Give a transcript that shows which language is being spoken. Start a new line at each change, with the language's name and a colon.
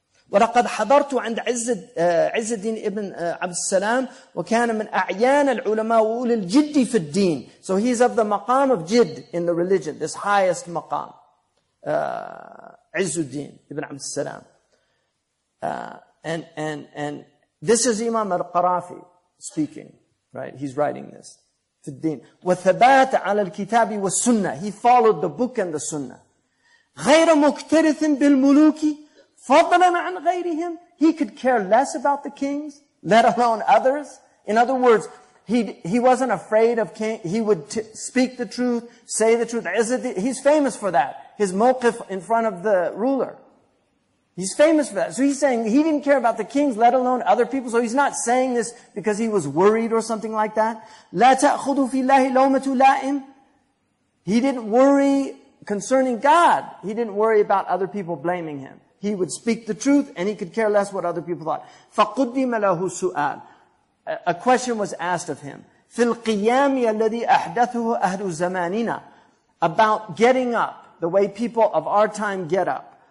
Arabic: وَلَقَدْ حَضَرْتُ عَنْدْ عِزَّدِينِ إِبْنْ عَبْدِ السَّلَامِ وَكَانَ مِنْ أَعْيَانَ الْعُلَمَاءُ وَأُولِ الْجِدِّ فِي الدِّينِ.
English: So he's of the maqam of jid in the religion, this highest maqam.
Arabic: عِزُّدِّين إِبْنْ عَبْدِ السَّلَامِ.
English: And this is Imam al-Qarafi speaking, right? He's writing this.
Arabic: في الدين وثبات على الكتاب والسنة.
English: He followed the book and the sunnah.
Arabic: غير مكترث بالملوك فضلا عن غيرهم.
English: He could care less about the kings, let alone others. In other words, he wasn't afraid of king. He would speak the truth, say the truth. He's famous for that. His mawqif in front of the ruler. He's famous for that. So he's saying he didn't care about the kings, let alone other people. So he's not saying this because he was worried or something like that.
Arabic: لا تأخذوا في الله لومة لائم.
English: He didn't worry concerning God. He didn't worry about other people blaming him. He would speak the truth and he could care less what other people thought.
Arabic: فَقُدِّمَ لَهُ سُؤَالٌ.
English: A question was asked of him.
Arabic: فِي الْقِيَامِ الَّذِي أَحْدَثُهُ أَهْلُ زَمَانِنَا.
English: About getting up, the way people of our time get up.